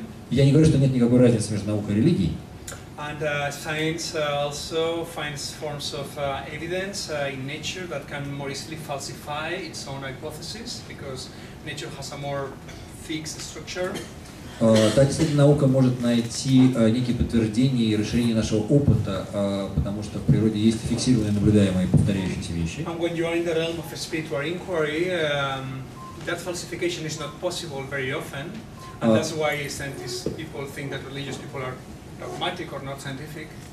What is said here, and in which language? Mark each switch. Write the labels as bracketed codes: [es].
[ru] Я не говорю, что нет никакой разницы между наукой и религией. [en] And science also finds forms of evidence in nature that can more easily falsify its own hypothesis because nature has a more fixed structure. [ru] Действительно, наука может найти некие подтверждения и расширение нашего опыта, потому что в природе есть фиксированные, наблюдаемые, повторяющиеся вещи. [en] And when you are in the realm of spiritual inquiry, that falsification is not possible very often, and that's why scientists people think that religious people are dogmatic or not scientific.